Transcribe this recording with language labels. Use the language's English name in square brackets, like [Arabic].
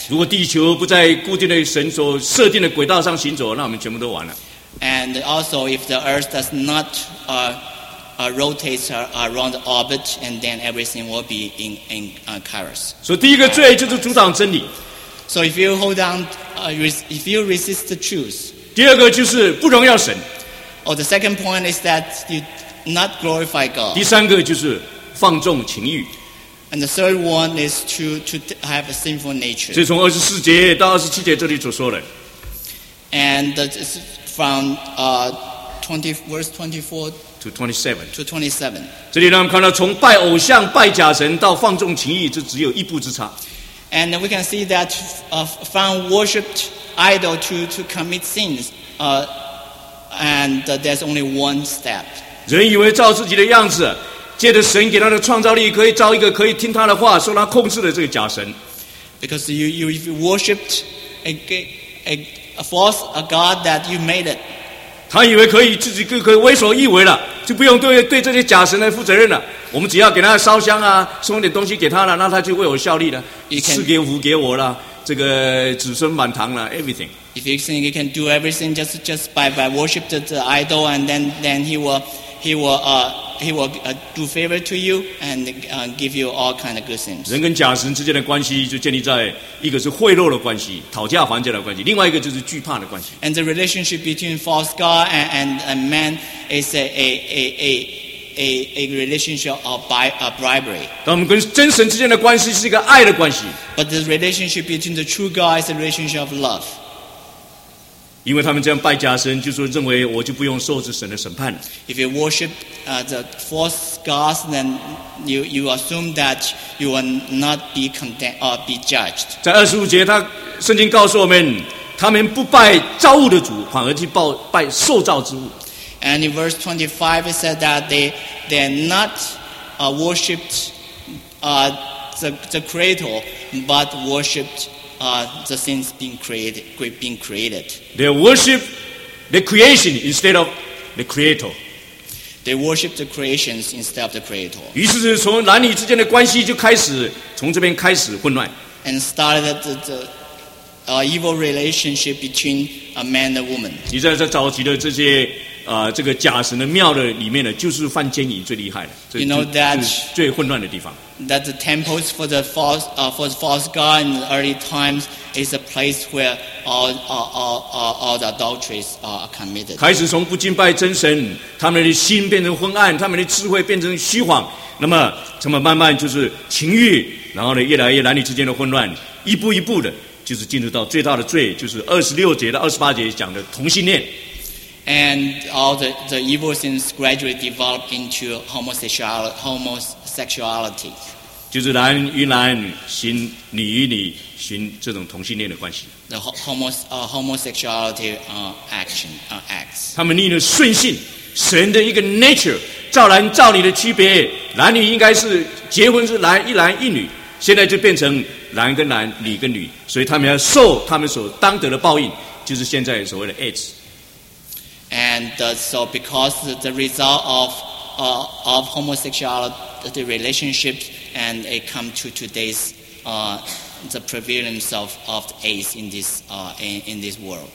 [Chinese] 如果地球不在固定的神所设定的轨道上行走，那我们全部都完了。 [English] And also, if the Earth does not rotate around the orbit, and then everything will be in chaos. [Chinese] So, 第一个罪就是阻挡真理。 [English] So, if you hold on, if you resist the truth. [Chinese] 第二个就是不荣耀神。 [English] Oh, the second point is that you not glorify God. [Chinese] 第三个就是放纵情欲。 [English] And the third one is to have a sinful nature. [Chinese] 这从二十四节到二十七节这里所说的。 [English] And it's from verse 24 to 27. [Chinese] 这里让我们看到，从拜偶像、拜假神到放纵情欲，这只有一步之差。 [English] And we can see that from worshipped idol to commit sins, and there's only one step. [Chinese] 人以为照自己的样子，借着神给他的创造力，可以造一个可以听他的话、受他控制的这个假神。 [English] Because if you worshipped a false a god that you made it. [Chinese] 他以为可以自己可以为所欲为了，就不用对这些假神来负责任了。我们只要给他烧香啊，送点东西给他了，那他就为我效力了，赐给福给我了，这个子孙满堂了 ，everything。 [English] If you think you can do everything just by worship the idol and then he will do favor to you and give you all kind of good things。 [Chinese] 人跟假神之间的关系就建立在一个是贿赂的关系、讨价还价的关系，另外一个就是惧怕的关系。 [English] And the relationship between false god and man is a relationship of bribery。 [Chinese] 但我们跟真神之间的关系是一个爱的关系。 [English] But the relationship between the true god is a relationship of love。 [Chinese] 因为他们这样拜假神，就说认为我就不用受这神的审判。 [English] If you worship the false gods, then you assume that you will not be condemned or be judged. [Chinese] 在二十五节，他圣经告诉我们，他们不拜造物的主，反而去拜受造之物。 [English] And in verse 25, it said that they not worshipped the creator, but worshipped. The things being created. They worship the creation instead of the creator. They worship the creations instead of the creator. [Chinese] 于是从男女之间的关系就开始从这边开始混乱。 [English] And started the evil relationship between a man and a woman. [Chinese] 你在早期的这些这个假神的庙的里面呢，就是犯奸淫最厉害的，这 [English] you know that, [Chinese] 就是最混乱的地方。 [English] That the temples for the false god in the early times is a place where all the adulteries are committed. [Chinese] 开始从不敬拜真神，他们的心变成昏暗，他们的智慧变成虚谎，那么他们慢慢就是情欲，然后呢，越来越男女之间的混乱，一步一步的，就是进入到最大的罪，就是二十六节到二十八节讲的同性恋。 [English] And all the evil things gradually develop into homosexuality. [Chinese] 就是男与男行，女与女行这种同性恋的关系。 [English] The homosexuality acts. [Chinese] 他们逆了顺性，神的一个 nature， 造男造女的区别，男女应该是结婚是男一男一女，现在就变成男跟男，女跟女，所以他们要受他们所当得的报应，就是现在所谓的 AIDS。 [English] And so because the result of homosexuality relationships and it come to today's the prevalence of the AIDS in this world.